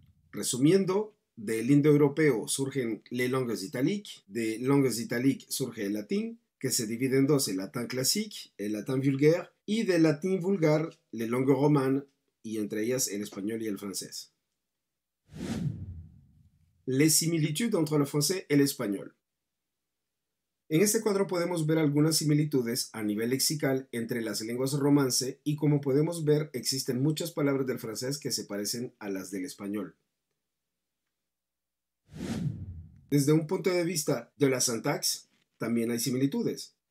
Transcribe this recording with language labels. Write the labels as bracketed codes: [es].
[es] Resumiendo, del indoeuropeo surgen [fr] les langues italiques, de langues italiques [es] surge el latín, que se divide en dos, el latín clásico, el latín vulgaire, y del latín vulgar, [fr] les langues romanes, [es] y entre ellas el español y el francés. [fr] Les similitudes entre le français et l'espagnol. [es] En este cuadro podemos ver algunas similitudes a nivel lexical entre las lenguas romance y, como podemos ver, existen muchas palabras del francés que se parecen a las del español. Desde un punto de vista de la sintaxis, también hay similitudes.